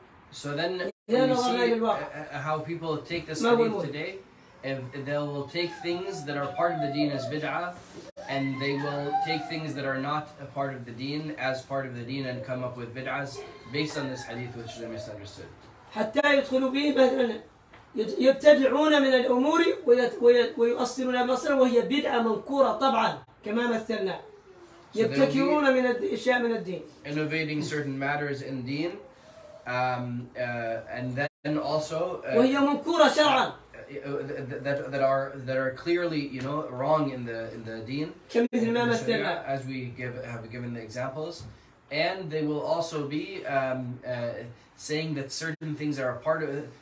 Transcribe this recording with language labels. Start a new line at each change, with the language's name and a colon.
English: So then you see how people take this hadith today. If they will take things that are part of the deen as bid'ah, and they will take things that are not a part of the deen as part of the deen and come up with bid'ahs based on this hadith which is misunderstood.
Arabic: حتى يدخلوا به مثلا يبتدعون من الأمور ويؤصلون مصر وهي بدعة منكورة طبعا كما مثلنا يبتكرون من الأشياء من الدين.
English: Innovating certain matters in deen, and then also
Arabic: وهي منكورة شرعا.
English: That are clearly, you know, wrong in the deen, as we have given the examples, and they will also be saying that certain things are a part of.